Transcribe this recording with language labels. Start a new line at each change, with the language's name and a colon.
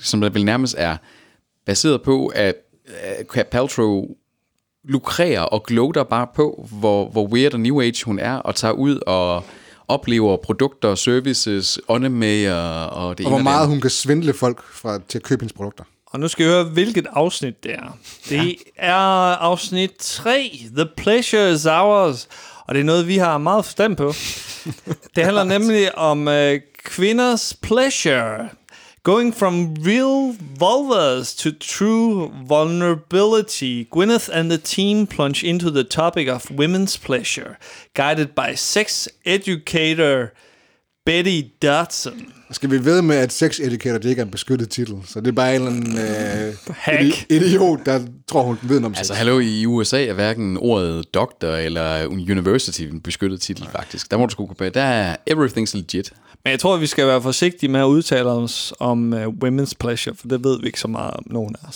Danish: Som der vel nærmest er baseret på, at Paltrow lukrerer og gloater bare på, hvor weird og new age hun er, og tager ud og oplever produkter, services, åndemager og det ene. Og hvor meget hun kan svindle folk til at købe hendes produkter. Og nu skal jeg høre, hvilket afsnit det er. Det er afsnit 3, The Pleasure is Ours, og det er noget, vi har meget forstand på. Det handler nemlig om kvinders pleasure.
English: Going from real vulvas to true vulnerability, Gwyneth and the team plunge into the topic of women's pleasure, guided by sex educator Betty Dodson.
Danish: Skal vi vide med, at sex educator det ikke er en beskyttet titel? Så det er bare en eller anden idiot, der tror, hun ved noget om sex. Altså, hallo, i USA er hverken ordet doctor eller university en beskyttet titel, faktisk. Der må du sgu gå på. Der er
English: everything's legit.
Danish: Men jeg tror, at vi skal være forsigtige med at udtale os om women's pleasure, for det ved vi ikke så meget om nogen af os.